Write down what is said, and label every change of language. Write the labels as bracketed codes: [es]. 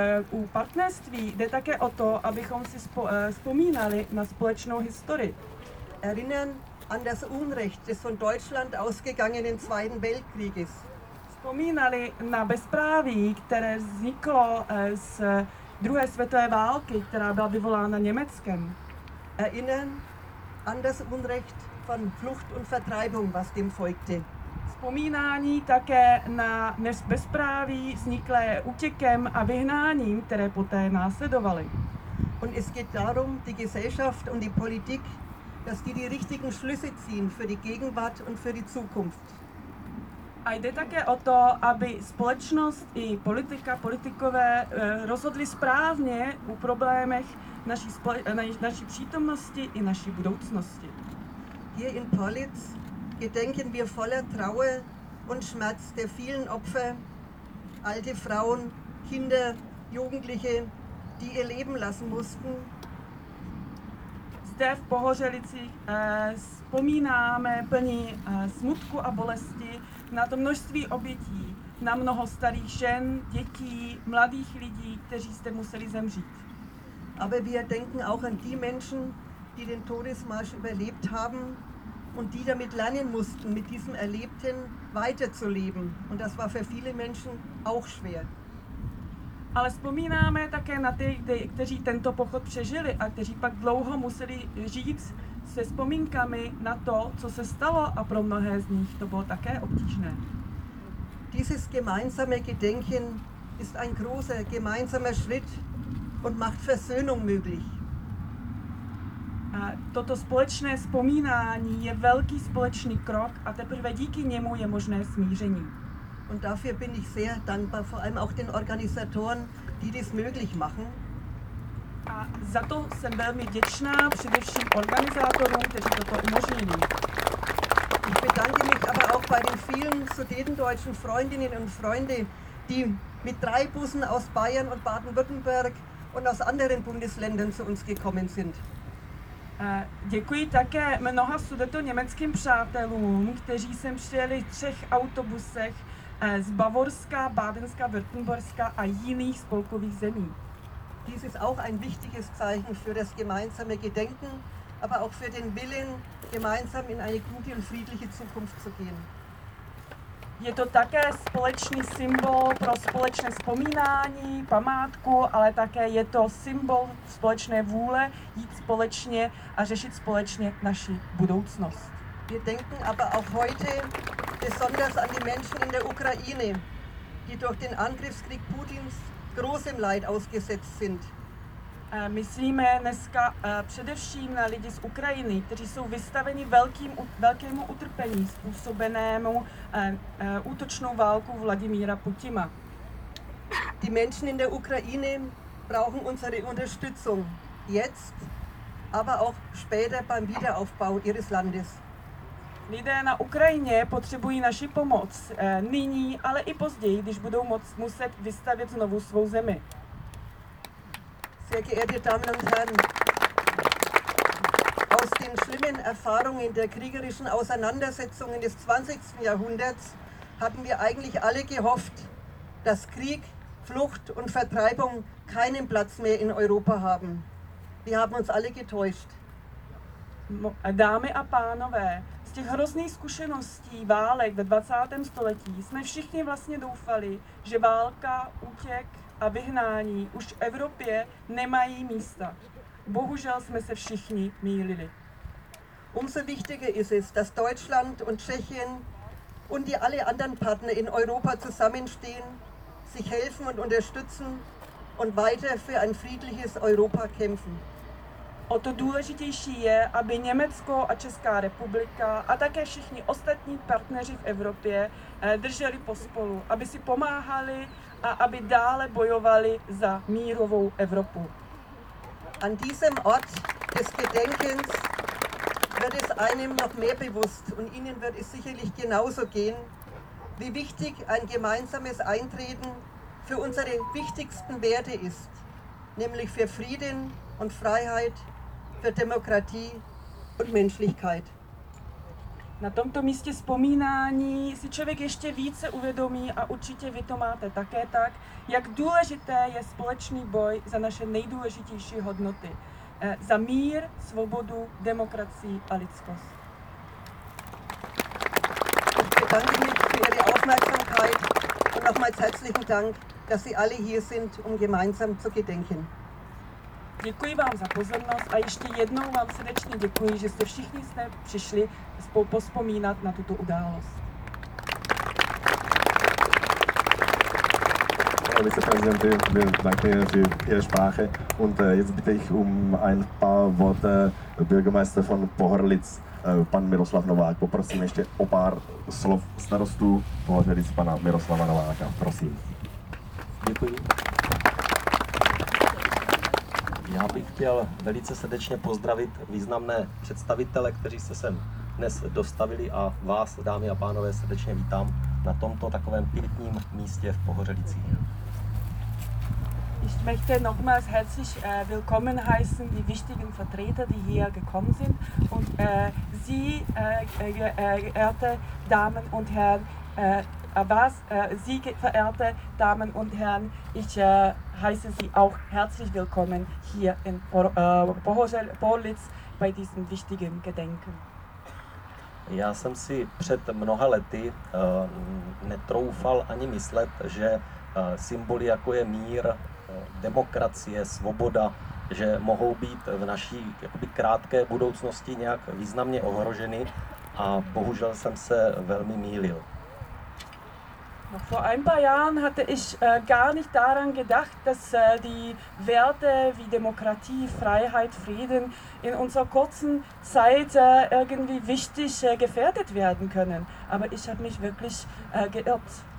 [cs] U partnerství jde také o to, abychom si vzpomínali na společnou historii. [de] Erinnern an das Unrecht des von Deutschland ausgegangenen Zweiten Weltkrieges. [cs] Vzpomínali na bezpráví, které vzniklo z druhé světové války, která byla vyvolána Německem. [de] Erinnern an das Unrecht von Flucht und Vertreibung, was dem folgte. [cs] Vzpomínání také na bezpráví vzniklé útěkem a vyhnáním, které poté následovaly. [de] Und es geht darum, die Gesellschaft und die Politik, dass die richtigen Schlüsse ziehen für die Gegenwart und für die Zukunft. [cs] A jde také o to, aby společnost i politikové rozhodli správně u problémech naší přítomnosti i naší budoucnosti. [de] Hier in Politz gedenken wir voller Trauer und Schmerz der vielen Opfer, alte Frauen, Kinder, Jugendliche, die ihr Leben lassen mussten. [cs] Zde v Pohořelicích vzpomínáme plní smutku a bolesti na to množství obětí, na mnoho starých žen, dětí, mladých lidí, kteří jste museli zemřít. [de] Aber wir denken auch an die Menschen, die den Todesmarsch überlebt haben und die damit lernen mussten, mit diesem Erlebten weiterzuleben. Und das war für viele Menschen auch schwer. [cs] Ale vzpomínáme také na ty, kteří tento pochod přežili a kteří pak dlouho museli žít se vzpomínkami na to, co se stalo a pro mnohé z nich to bylo také obtížné. [de] Dieses gemeinsame Gedenken ist ein großer gemeinsamer Schritt und macht Versöhnung möglich. [cs] A toto společné vzpomínání je velký společný krok a teprve díky němu je možné smíření. [de] Und dafür bin ich sehr dankbar, vor allem auch den Organisatoren, die dies möglich machen. [cs] A za to jsem velmi vděčná, především organizátorům, kteří toto umožnili. [de] Ich bedanke mich aber auch bei den vielen sudetendeutschen Freundinnen und Freunden, die mit 3 Bussen aus Bayern und Baden-Württemberg und aus anderen Bundesländern zu uns gekommen sind. [cs] Děkuji také mnoha sudetoněmeckým přátelům, kteří sem přijeli v 3 autobusech z Bavorska, Bádenska, Württemberska a jiných spolkových zemí. [de] Dies ist auch ein wichtiges Zeichen für das gemeinsame Gedenken, aber auch für den Willen, gemeinsam in eine gute und friedliche Zukunft zu gehen. [cs] Je to také společný symbol pro společné vzpomínání, památku, ale také je to symbol společné vůle jít společně a řešit společně naši budoucnost. [de] Wir denken aber auch heute besonders an die Menschen in der Ukraine, die durch den Angriffskrieg Putins großem Leid ausgesetzt sind. [cs] Myslíme dneska především na lidi z Ukrajiny, kteří jsou vystaveni velkému utrpení způsobenému útočnou válkou Vladimíra Putina. [de] Die Menschen in der Ukraine brauchen unsere Unterstützung, jetzt, aber auch später beim Wiederaufbau ihres Landes. [cs] Lidé na Ukrajině potřebují naši pomoc, nyní, ale i později, když budou muset vystavět znovu svou zemi. [de] Sehr geehrte Damen und Herren, aus den schlimmen Erfahrungen der kriegerischen Auseinandersetzungen des 20. Jahrhunderts hatten wir eigentlich alle gehofft, dass Krieg, Flucht und Vertreibung keinen Platz mehr in Europa haben. Wir haben uns alle getäuscht. [cs] Dámy a pánové, z těch hrozných zkušeností válek ve 20. století jsme všichni vlastně doufali, že válka, útěk a vyhnání už v Evropě nemají místa. Bohužel jsme se všichni mýlili. [de] Umso wichtiger ist es, dass Deutschland und Tschechien und die alle anderen Partner in Europa zusammenstehen, sich helfen und unterstützen und weiter für ein friedliches Europa kämpfen. [cs] O to důležitější je, aby Německo a Česká republika a také všichni ostatní partneři v Evropě drželi pospolu, aby si pomáhali a aby dále bojovali za mírovou Evropu. [de] An diesem Ort des Gedenkens wird es einem noch mehr bewusst und Ihnen wird es sicherlich genauso gehen, wie wichtig ein gemeinsames Eintreten für unsere wichtigsten Werte ist, nämlich für Frieden und Freiheit, für Demokratie und Menschlichkeit. [cs] Na tomto místě vzpomínání si člověk ještě více uvědomí, a určitě vy to máte také tak, jak důležité je společný boj za naše nejdůležitější hodnoty. Za mír, svobodu, demokracii a lidskost. [de] Danke für Ihre Aufmerksamkeit und nochmals herzlichen Dank, dass Sie alle hier sind, um gemeinsam zu gedenken. [cs] Děkuji vám za pozornost a ještě jednou vám srdečně děkuji, že jste všichni jste přišli spolu pospomínat na tuto událost. [de] Vice-prezidenty, danke für Ihre Sprache und jetzt bitte ich um ein paar Worte Bürgermeister von Pohorlic, pan Miroslav Novák. [cs] Poprosím ještě o pár slov starostů Pohořelic, pana Miroslava Nováka, prosím. Děkuji. Já bych chtěl velice srdečně pozdravit významné představitele, kteří se sem dnes dostavili, a vás, dámy a pánové, srdečně vítám na tomto takovém pietním místě v Pohořelicích. [de] Ich möchte nochmals herzlich willkommen heißen, die wichtigen Vertreter, die hier gekommen sind. Und Sie, geehrte Damen und Herren, heiße Sie auch herzlich willkommen hier in Pohorlic bei diesem wichtigen Gedenken. [cs] Já jsem si před mnoha lety netroufal ani myslet, že symboly jako je mír, demokracie, svoboda, že mohou být v naší jakoby krátké budoucnosti nějak významně ohroženy, a bohužel jsem se velmi mýlil. [de] Vor ein paar Jahren hatte ich gar nicht daran gedacht, dass die Werte wie Demokratie, Freiheit, Frieden in unserer kurzen Zeit irgendwie wichtig gefährdet werden können. Aber ich habe mich wirklich geirrt.